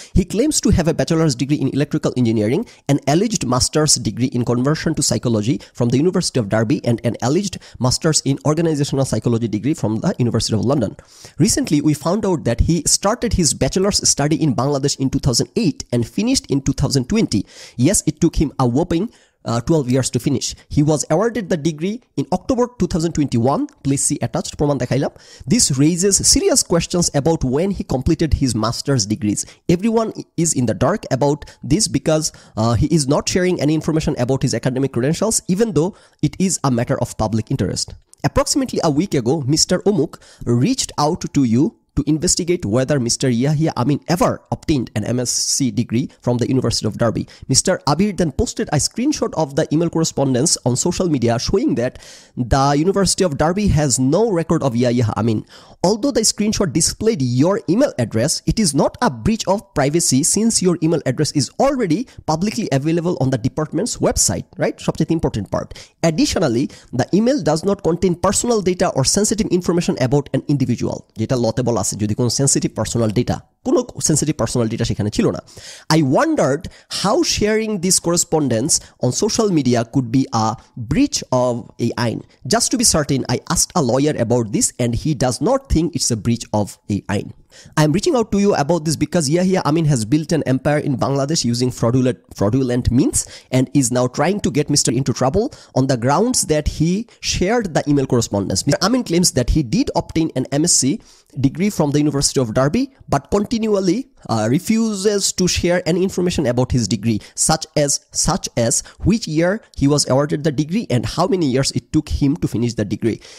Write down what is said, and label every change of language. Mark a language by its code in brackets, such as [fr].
[en] He claims to have a bachelor's degree in electrical engineering and alleged master's degree in conversion to psychology from the university of Derby and an alleged master's in organisational psychology degree from the university of London. Recently we found out that he started his bachelor's study in Bangladesh in 2008 and finished in 2020. Yes, it took him a whopping 12 years to finish. He was awarded the degree in October 2021. Please see attached [bn] praman dekhailam. [en] This raises serious questions about when he completed his master's degrees. Everyone is in the dark about this because he is not sharing any information about his academic credentials, even though it is a matter of public interest. Approximately a week ago, Mr. Omuk reached out to you to investigate whether Mr. Yahia Amin ever obtained an MSc degree from the University of Derby. Mr. Abir then posted a screenshot of the email correspondence on social media showing that the University of Derby has no record of Yahia Amin. Although the screenshot displayed your email address, it is not a breach of privacy since your email address is already publicly available on the department's website, right? So that's the important part. Additionally, the email does not contain personal data or sensitive information about an individual. [bn] Data lote bola ache jodi kono sensitive personal data. কোনো sensitive personal data সেখানে ছিল না। [en] I wondered how sharing this correspondence on social media could be a breach of [bn] এই আইন। [en] just to be certain I ask a lawyer about this and he does not think it's a breach of [bn] এই আইন। [en] I am reaching out to you about this because Yahia Amin has built an empire in Bangladesh using fraudulent means and is now trying to get Mr. into trouble on the grounds that he shared the email correspondence. Mr. Amin claims that he did obtain an MSc degree from the University of Derby but continually refuses to share any information about his degree, such as which year he was awarded the degree and how many years it took him to finish the degree.